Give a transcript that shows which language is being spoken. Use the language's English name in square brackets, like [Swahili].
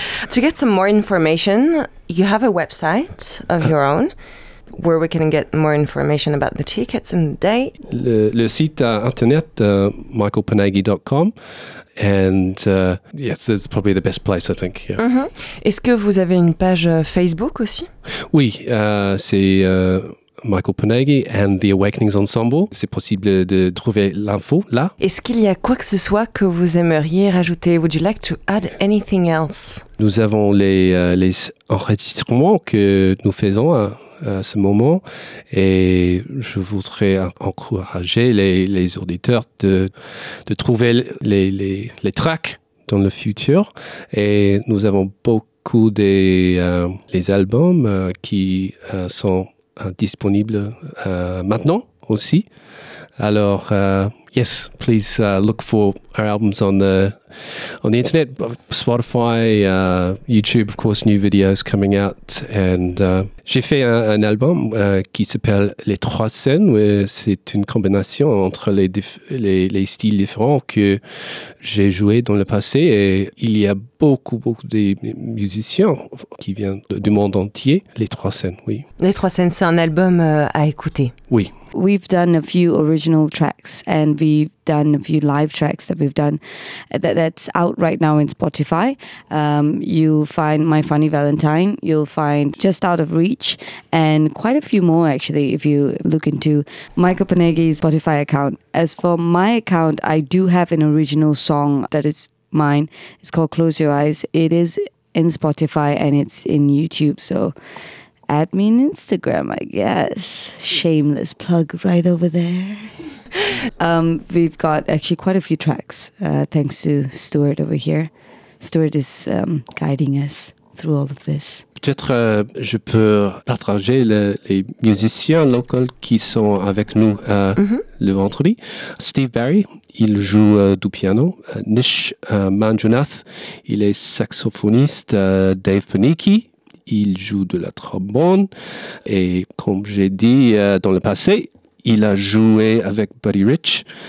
[English] To get some more information, you have a website of your own where we can get more information about the tickets and the date. [French] Le site internet, michaelpanagi.com. [English] And yes, it's probably the best place, I think. Yeah. Mm-hmm. [French] Est-ce que vous avez une page Facebook aussi? Oui, c'est Michael Panagi and the Awakenings Ensemble. C'est possible de trouver l'info là. Est-ce qu'il y a quoi que ce soit que vous aimeriez rajouter? [English] Would you like to add anything else? [French] Nous avons les enregistrements que nous faisons à ce moment et je voudrais encourager les auditeurs de trouver les tracks dans le futur et nous avons beaucoup les albums qui sont disponible maintenant aussi. [English] Alors, yes, please look for our albums on the internet, Spotify, YouTube, of course, new videos coming out. [French] And j'ai fait un album qui s'appelle Les Trois Scènes. C'est une combination entre les styles différents que j'ai joué dans le passé. Et il y a beaucoup, beaucoup de musiciens qui viennent du monde entier. Les Trois Scènes, oui. Les Trois Scènes, c'est un album à écouter. Oui. [English] We've done a few original tracks and we've done a few live tracks that we've done that's out right now in Spotify. You'll find My Funny Valentine, you'll find Just Out of Reach, and quite a few more actually if you look into Michael Panagi's Spotify account. As for my account, I do have an original song that is mine. It's called Close Your Eyes. It is in Spotify and it's in YouTube, so add me on Instagram, I guess. Shameless plug right over there. We've got actually quite a few tracks, thanks to Stuart over here. Stuart is guiding us through all of this. [French] Peut-être je peux partager les musiciens locaux qui sont avec nous le vendredi. Steve Barry, il joue du piano. Nish Manjunath, il est saxophoniste. Dave Panicki, il joue de la trombone et comme j'ai dit dans le passé, il a joué avec Buddy Rich.